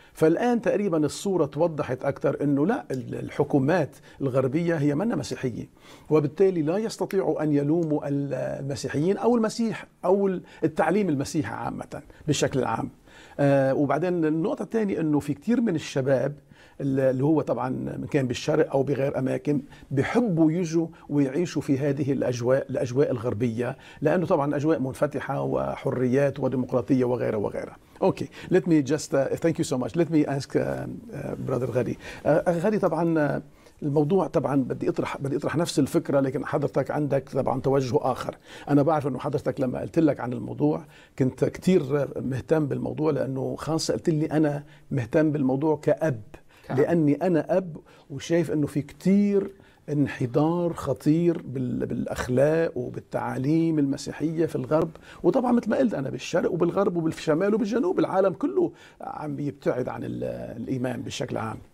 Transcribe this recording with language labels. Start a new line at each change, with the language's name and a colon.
Arabic: فالآن تقريبا الصورة توضحت أكثر أنه لا، الحكومات الغربية هي منا مسيحية، وبالتالي لا يستطيعوا أن يلوموا المسيحيين أو المسيح أو التعليم المسيحي عامة بشكل عام. وبعدين النقطة الثانية أنه في كثير من الشباب اللي هو طبعا كان بالشرق أو بغير أماكن بيحبوا يجوا ويعيشوا في هذه الأجواء، الأجواء الغربية، لأنه طبعا أجواء منفتحة وحريات وديمقراطية وغيره وغيره.
English: Okay, let me just thank you so much. Let me ask brother غادي.
Arabic: غادي طبعا الموضوع طبعا بدي اطرح نفس الفكره، لكن حضرتك عندك طبعا توجه اخر. انا بعرف انه حضرتك لما قلت لك عن الموضوع كنت كثير مهتم بالموضوع، لانه خاصه قلت لي انا مهتم بالموضوع كاب، لاني انا اب وشايف انه في كثير انحدار خطير بالاخلاق وبالتعاليم المسيحيه في الغرب، وطبعا مثل ما قلت انا بالشرق وبالغرب وبالشمال وبالجنوب، العالم كله عم بيبتعد عن الايمان بشكل عام.